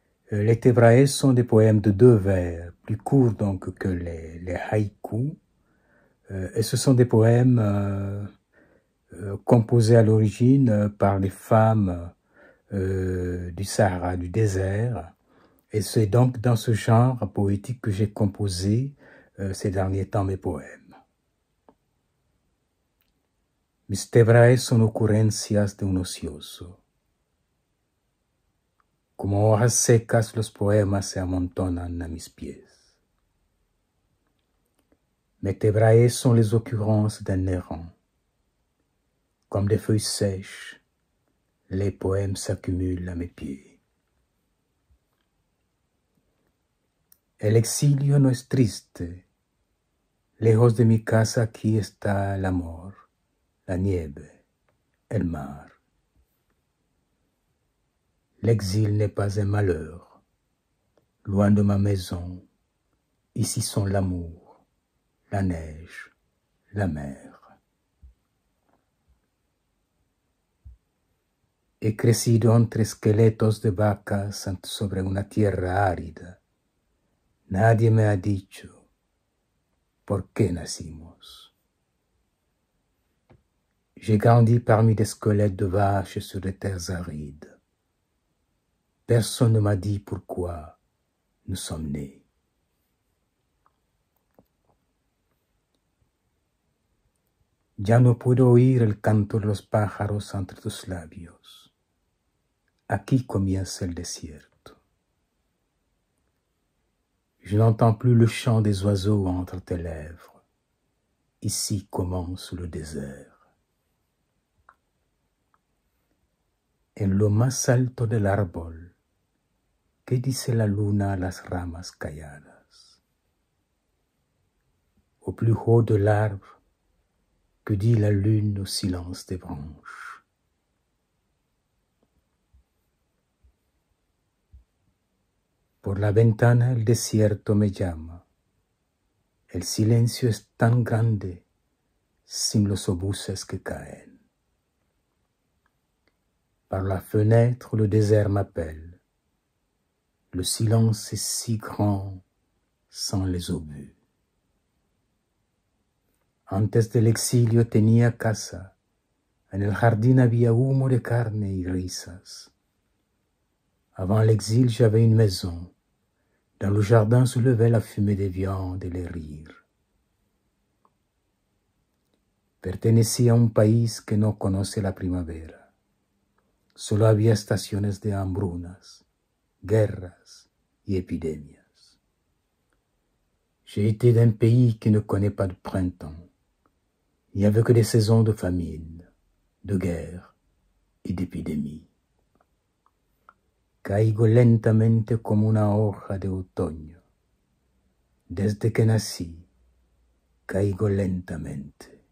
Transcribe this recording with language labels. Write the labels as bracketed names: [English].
[French] Les Tebrae sont des poèmes de deux vers, plus courts donc que les haïkus, et ce sont des poèmes composés à l'origine par les femmes du Sahara, du désert. Et c'est donc dans ce genre poétique que j'ai composé ces derniers temps mes poèmes. [Spanish] Mis Tebrae son ocurrencias de un ocioso. Como hojas secas, los poemas se amontonan a mis pies. [French] Mes Tebrae sont les occurrences d'un errant. Comme des feuilles sèches, les poèmes s'accumulent à mes pieds. [Spanish] El exilio no es triste. Lejos de mi casa, aquí está el amor, la nieve, el mar. [French] L'exil n'est pas un malheur. Loin de ma maison, ici sont l'amour, la neige, la mer. [Spanish] He crecido entre esqueletos de vacas sobre una tierra árida. Nadie me ha dicho por qué nacimos. [French] J'ai grandi parmi des squelettes de vaches sur des terres arides. Personne ne m'a dit pourquoi nous sommes nés. [Spanish] Ya no puedo oír el canto de los pájaros entre tus labios. Aquí comienza el desierto. [French] Je n'entends plus le chant des oiseaux entre tes lèvres. Ici commence le désert. [Spanish] En lo más alto del árbol, ¿qué dice la luna a las ramas calladas? [French] Au plus haut de l'arbre, que dit la lune au silence des branches? [Spanish] Por la ventana el desierto me llama. El silencio es tan grande sin los obuses que caen. [French] Par la fenêtre le désert m'appelle. Le silence est si grand sans les obus. [Spanish] Antes del exilio tenía casa. En el jardín había humo de carne y risas. [French] Avant l'exil j'avais une maison. Dans le jardin se levait la fumée des viandes et les rires. [Spanish] Pertenecía a un país que no conoce la primavera. Solo había estaciones de hambrunas, guerras y epidemias. [French] J'ai été d'un pays qui ne connaît pas de printemps. Il n'y avait que des saisons de famine, de guerre et d'épidémie. [Spanish] Caigo lentamente como una hoja de otoño. Desde que nací, caigo lentamente.